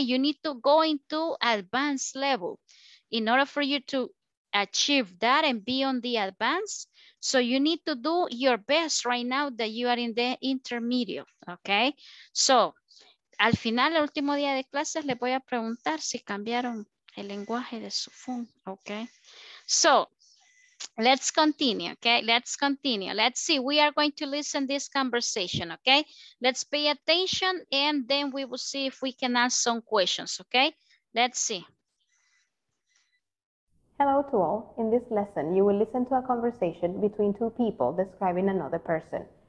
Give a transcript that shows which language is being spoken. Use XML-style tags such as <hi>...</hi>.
<en>You need to go into advanced level in order for you to achieve that and be on the advanced. So you need to do your best right now that you are in the intermediate, okay?</en> <es>So, al final, el último día de clases, les voy a preguntar si cambiaron el lenguaje de su phone, okay?</es> <en>So, let's continue, okay? Let's continue. Let's see. We are going to listen to this conversation, okay? Let's pay attention and then we will see if we can ask some questions, okay? Let's see. Hello to all. In this lesson, you will listen to a conversation between two people describing another person.</en>